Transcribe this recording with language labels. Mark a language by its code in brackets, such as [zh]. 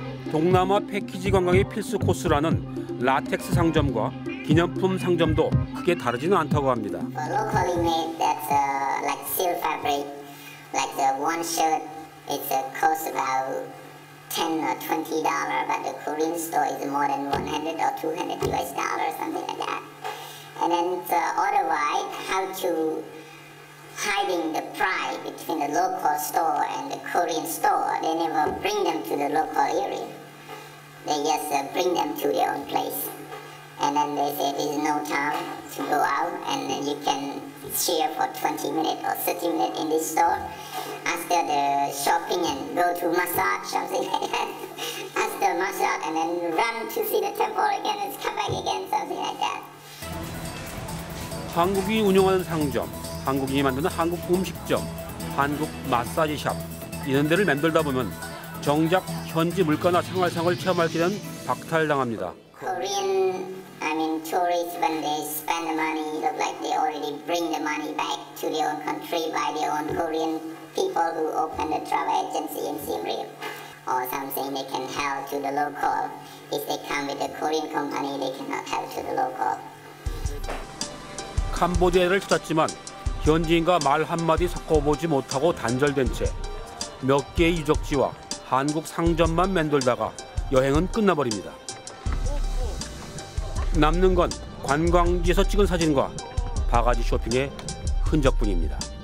[ko] 동남아 패키지 관광의 필수 코스라는 라텍스 상점과 기념품 상점도 크게 다르지는 않다고 합니다. [en] Locally made that's like silk fabric, like the one shirt, it's cost about $10 or $20, but the Korean store is more than $100 or $200 something like that. And then the otherwise, how to hiding the price between the local store and the Korean store? They never bring them to the local area. They just bring them to their own place. And then they say there's no time to go out, and then you can share for 20 minutes or 30 minutes in this store. After the shopping and go to massage, something like that. After massage and then run to see the temple again and come back again, something like that. [ko] 한국인이 운영하는 상점, 한국인이 만드는 한국 음식점, 한국 마사지샵 이런 데를 맴돌다 보면 정작 현지 물가나 생활상을 체험할 때는 박탈당합니다. [en] Korean, I mean tourists when they spend the money, look like they already bring the money back to their own country by their own Korean people who open the travel agency in Siem Reap or something. They can help to the local. If they come with a Korean company, they cannot help to the local. [ko] 캄보디아를 찾았지만 현지인과 말 한마디 섞어보지 못하고 단절된 채 몇 개의 유적지와 한국 상점만 맴돌다가 여행은 끝나버립니다. 남는 건 관광지에서 찍은 사진과 바가지 쇼핑의 흔적뿐입니다.